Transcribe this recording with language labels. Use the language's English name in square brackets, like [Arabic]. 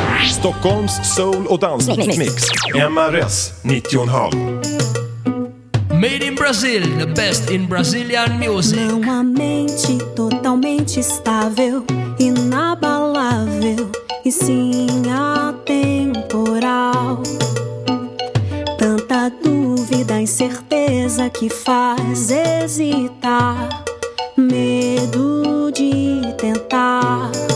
[Swedish] Stockholms Soul och Dansmix. MRS 90.5. [English] Made in Brazil, the best in Brazilian music. [Portuguese] Não há mente totalmente estável, inabalável, e sim atemporal. Tanta dúvida, incerteza que faz hesitar, medo de tentar.